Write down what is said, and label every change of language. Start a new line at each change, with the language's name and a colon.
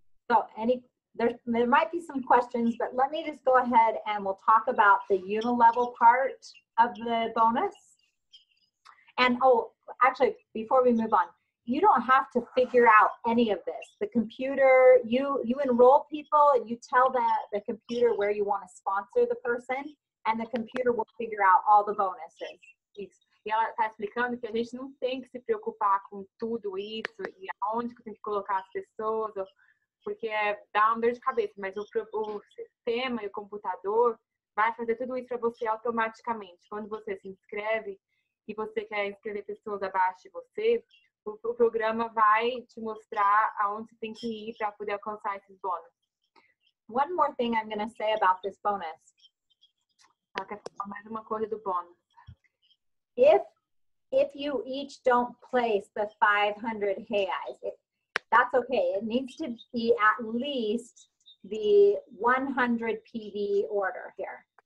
English: So, there might be some questions, but let me just go ahead and we'll talk about the unilevel part of the bonus. And, oh, actually, before we move on, you don't have to figure out any of this. The computer, you enroll people and you tell the computer where you want to sponsor the person, and the computer will figure out all the bonuses.
Portuguese: Isso. E ela está explicando que a gente não tem que se preocupar com tudo isso e aonde que tem que colocar as pessoas, porque dá uma dor de cabeça, mas o sistema e o computador vai fazer tudo isso para você automaticamente. Quando você se inscreve, e você quer inscrever pessoas abaixo de você, o programa vai te mostrar aonde você tem que ir para poder alcançar esses bônus.
English: One more thing I'm going to say about this bonus.
Portuguese: Mais uma coisa do bônus.
English: If you each don't place the 500 reais, that's okay. It needs to be at least the 100 PV order here.